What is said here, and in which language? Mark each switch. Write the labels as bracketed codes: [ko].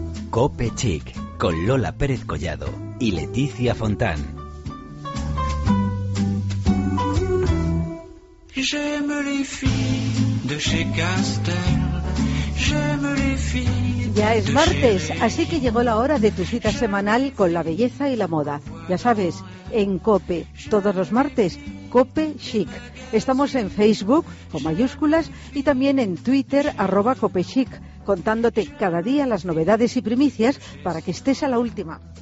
[es] Cope Chic con Lola Pérez Collado y Leticia Fontán. [fr] J'aime les filles de chez Castel. J'aime les filles. [es] Ya es martes, así que llegó la hora de tu cita semanal con la belleza y la moda. Ya sabes, en COPE, todos los martes, COPE Chic. Estamos en Facebook, con mayúsculas, y también en Twitter, @ COPE Chic, contándote cada día las novedades y primicias para que estés a la última.